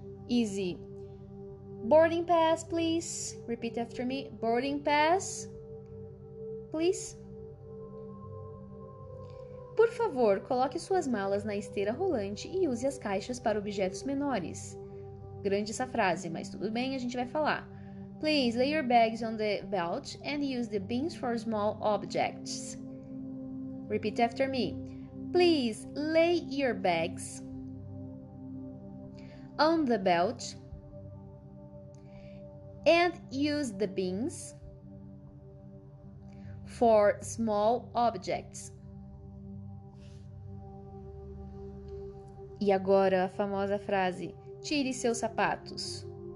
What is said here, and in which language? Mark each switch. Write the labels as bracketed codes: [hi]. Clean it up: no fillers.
[en] Easy. Boarding pass, please. Repeat after me. Boarding pass, please. [pt] Por favor, coloque suas malas na esteira rolante e use as caixas para objetos menores. Grande essa frase, mas tudo bem, a gente vai falar. [en] Please lay your bags on the belt and use the bins for small objects. Repeat after me. Please lay your bags on the belt and use the bins for small objects. [pt] E agora a famosa frase: tire seus sapatos.